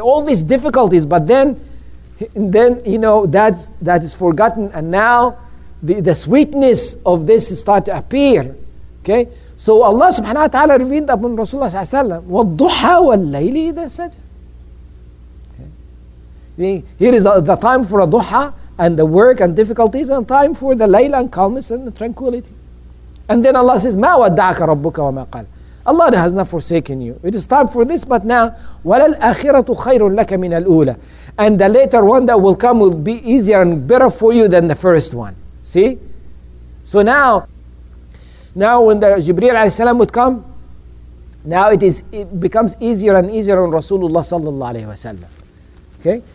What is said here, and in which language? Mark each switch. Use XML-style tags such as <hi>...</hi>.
<en>All these difficulties, but then you know, that is forgotten, and now the sweetness of this start to appear. Okay? So Allah subhanahu wa ta'ala revealed upon Rasulullah sallallahu alayhi wa sallam,</en> <ar>وَالضُّحَى وَاللَّيْلِ إِذَا سَجَى.</ar> <en>Okay. Here is the time for a duha and the work and difficulties, and time for the layla and calmness and the tranquility. And then Allah says,</en> <ar>مَا وَدَّعَكَ رَبُّكَ وَمَا قَالَ.</ar> <en>Allah has not forsaken you. It is time for this, but now,</en> <ar>وَلَا الْآخِرَةُ خَيْرٌ لَكَ مِنَ الْأُولَى.</ar> <en>And the later one that will come will be easier and better for you than the first one. See? So now when the Jibreel alayhi salam would come, now it becomes easier and easier on Rasulullah sallallahu alayhi wa sallam. Okay?</en>